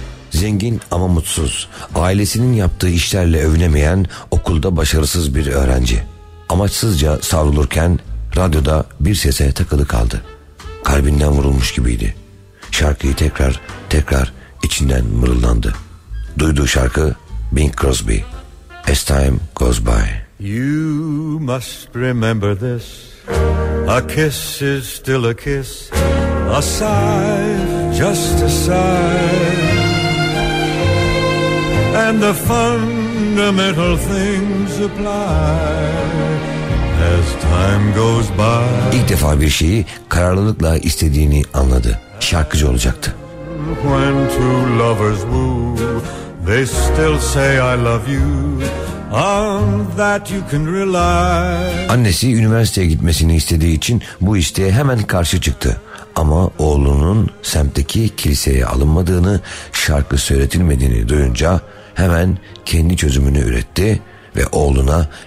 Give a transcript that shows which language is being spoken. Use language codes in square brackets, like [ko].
[tr] Zengin ama mutsuz, ailesinin yaptığı işlerle övünemeyen, okulda başarısız bir öğrenci. Amaçsızca savrulurken radyoda bir sese takılı kaldı. Kalbinden vurulmuş gibiydi. Şarkıyı tekrar tekrar içinden mırıldandı. Duyduğu şarkı Bing Crosby, As Time Goes By. [en] You must remember this, a kiss is still a kiss, a sigh just a sigh, and the fundamental things apply. As time goes by. [tr] İlk defa bir şeyi kararlılıkla istediğini anladı. Şarkıcı olacaktı. [en] When two lovers woo, they still say I love you. On that you can rely. [tr] Annesi üniversiteye gitmesini istediği için bu isteğe hemen karşı çıktı. Ama oğlunun semtteki kiliseye alınmadığını, şarkı söyletilmediğini duyunca hemen kendi çözümünü üretti ve oğluna